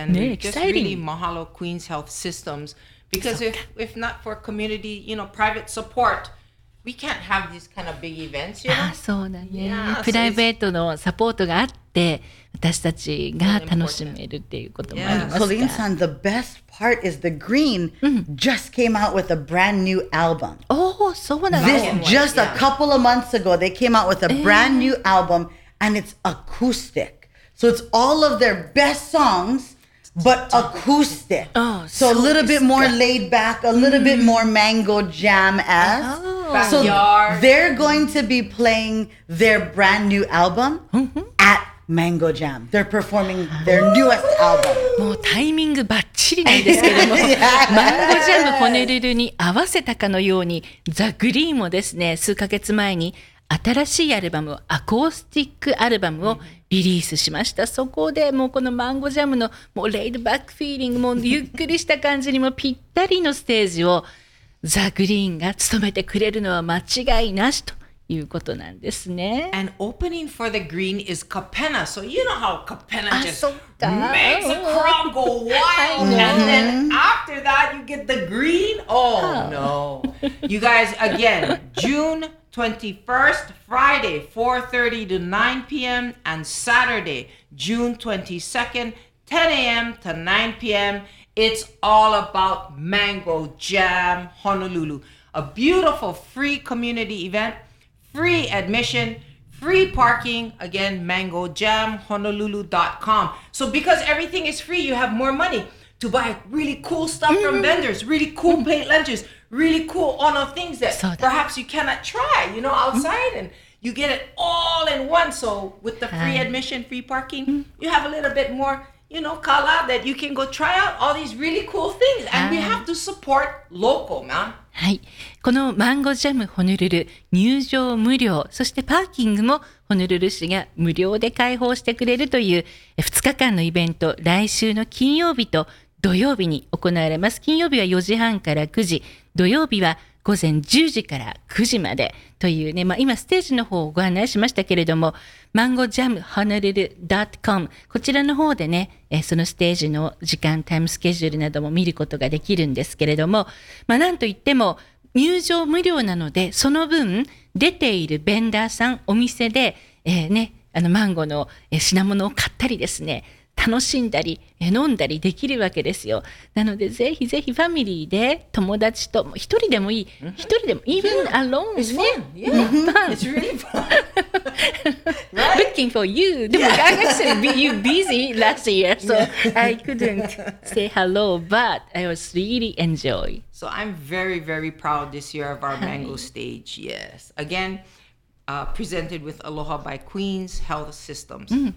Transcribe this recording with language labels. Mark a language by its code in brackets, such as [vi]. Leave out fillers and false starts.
[en] And、ね、just really mahalo Queen's Health Systems. Because if not for community, you know, private support, we can't have these kind of big events, you know? [ja] あ、そうだね。 Yeah, プライベートのサポートがあって、私たちが楽しめるっていうこともありますか。 [en] Colleen さん、the best part is The Green just came out with a brand new album. [ja] Oh, そうなの。 [en] This just a couple of months ago, they came out with a brand new album and it's acoustic. So it's all of their best songs, but acoustic. Oh, so a little bit more laid back, a little bit more Mango Jam-esque. Oh. So they're going to be playing their brand new album at Mango Jam. They're performing their newest album. [ja] もうタイミングバッチリなんですけれども、Mango Jam ホネルルに合わせたかのように、The Green もですね、数ヶ月前に新しいアルバム、アコースティックアルバムをリリースしました。そこでもうこの Mango Jam のもうレイドバックフィーリング、もうゆっくりした感じにもぴったりのステージをザ・グリーンが務めてくれるのは間違いなしということなんですね。 [en] And opening for the green is Capenna. So you know how Capenna just makes a crowd go wild. And then after that you get the green. Oh no. You guys, again, June 21st, Friday, 4:30 to 9 p.m. And Saturday, June 22nd, 10 a.m. to 9 p.m. It's all about Mango Jam Honolulu. A beautiful free community event. Free admission, free parking, again, mangojamhonolulu.com. So because everything is free, you have more money to buy really cool stuff from vendors, really cool paint lunches, really cool ono things that perhaps you cannot try, you know, outside. And you get it all in one. So with the free admission, free parking, you have a little bit more, you know, kala that you can go try out all these really cool things. And we have to support local, man. [ja] はい、このマンゴージャムホノルル入場無料、そしてパーキングもホノルル市が無料で開放してくれるという2日間のイベント、来週の金曜日と土曜日に行われます。金曜日は4時半から9時、土曜日は午前10時から9時までというね、まあ、今ステージの方をご案内しましたけれども、マンゴージャムホノルル .com、 こちらの方でね、そのステージの時間、タイムスケジュールなども見ることができるんですけれども、まあ、なんといっても入場無料なので、その分出ているベンダーさん、お店で、ね、あのマンゴーの品物を買ったりですね、楽しんだり飲んだりできるわけですよ。なのでぜひぜひファミリーで、友達と、一人でもいい、一人でも、 [en] even alone is fun. It's really fun. Looking for you. [ja] でも、 [en] I actually, you busy last year, so I couldn't say hello, but I was really enjoy. So I'm very, very proud this year of our Mango stage, yes. Again, presented with Aloha by Queens Health Systems.